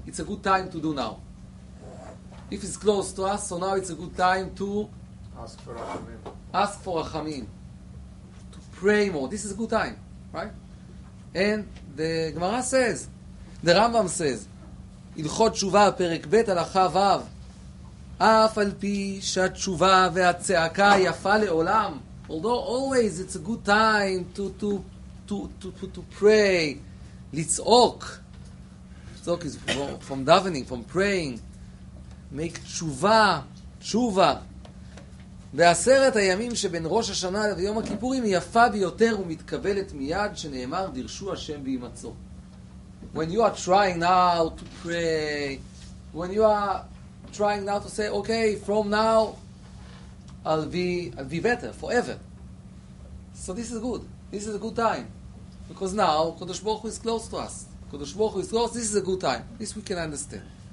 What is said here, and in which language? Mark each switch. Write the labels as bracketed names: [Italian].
[English] It's a good time to do now. If it's close to us, so now it's a good time to ask for Rachamim. To pray more. This is a good time. Right? And the Gemara says, the Rambam says, [Hebrew] הלכות תשובה, פרק ב' הלכה וב. אף על פי שהתשובה והצעקה יפה לעולם. [English] Although always it's a good time to pray, לצעוק. לצעוק is from davening, from praying. Make תשובה. [Hebrew] בעשרת הימים שבין ראש השנה ויום הכיפורים יפה ביותר ומתקבלת מיד שנאמר דרשו השם וימצאו. [English] When you are trying now to pray, when you are trying now to say, okay, from now, I'll be better forever. So this is good. This is a good time. Because now, Kodosh Baruch Hu is close to us. Kodosh Baruch Hu is close. This is a good time. This we can understand.